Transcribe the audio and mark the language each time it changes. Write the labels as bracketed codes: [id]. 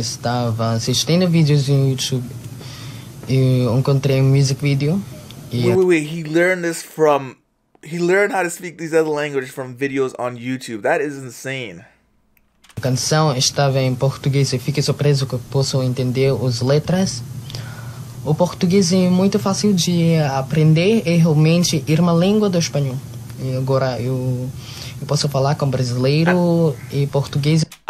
[pt] estava assistindo vídeos no YouTube, eu encontrei um music video [en] Wait, [pt] e [en] wait, wait. He learned how to speak these other languages from videos on YouTube. That is insane. [pt] a canção estava em português e fiquei surpreso que posso entender as letras. O português é muito fácil de aprender e realmente irmã língua do espanhol. E agora eu posso falar com brasileiro e português.